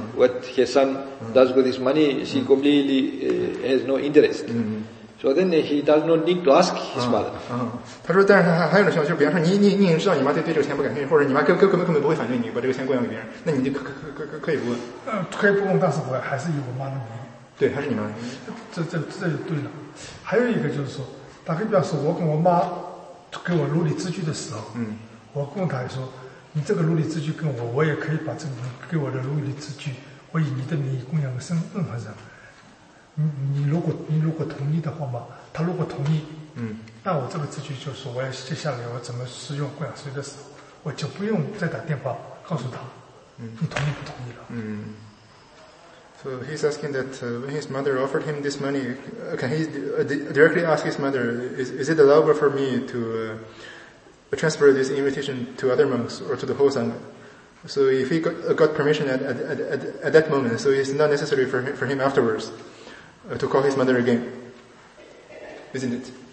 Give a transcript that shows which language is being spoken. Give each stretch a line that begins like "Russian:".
English: What her son does with this money, she completely has no interest. So then he does not need to ask his mother.
Chinese: 他说但是还有的情况就是比方说你知道你妈对这个钱不感兴趣或者你妈根本不会反对你把这个钱供养给别人，那你就可以不问。可以不问，但是我还是以我妈的名义。对，还是你妈的名义。这对了。还有一个就是说，打个比方说，我跟我妈 给我录你字据的时候，我跟他说，你这个录你字据跟我也可以把这个给我的录你字据，我以你的名义供养给任何人。你如果同意的话嘛，他如果同意，那我这个字据就是我要接下来我怎么使用供养税的时候，我就不用再打电话告诉他，你同意不同意了。
English: So he's asking that when his mother offered him this money, can he directly ask his mother, is it allowable for me to transfer this invitation to other monks or to the whole sangha? So if he got permission at that moment, so it's not necessary for him afterwards to call his mother again, isn't it?